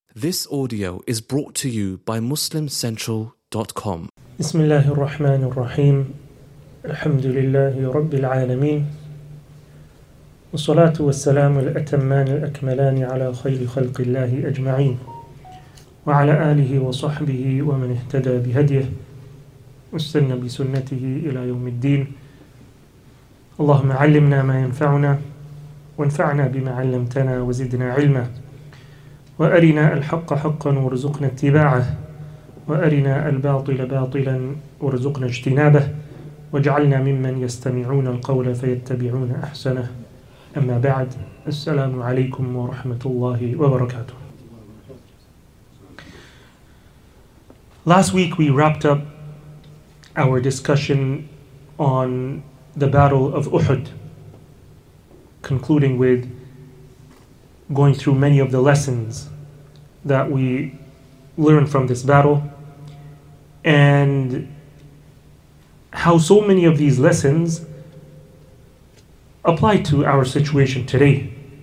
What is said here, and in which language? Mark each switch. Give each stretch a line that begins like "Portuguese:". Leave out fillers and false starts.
English: This audio is brought to you by MuslimCentral.com.
Arabic: بسم الله الرحمن الرحيم الحمد لله رب العالمين والصلاة والسلام الأتمان الأكملان على خير خلق الله أجمعين وعلى آله وصحبه ومن اهتدى بهديه واستنى بسنته إلى يوم الدين اللهم علمنا ما ينفعنا وانفعنا بما علمتنا وزدنا علما وأرنا الحق حقا وارزقنا اتباعه وأرنا الباطل باطلا وارزقنا اجتنابه واجعلنا ممن يستمعون القول فيتبعون أحسنه أما بعد السلام عليكم ورحمة الله وبركاته.
English: Last week we wrapped up our discussion on the battle of Uhud, concluding with going through many of the lessons that we learn from this battle and how so many of these lessons apply to our situation today.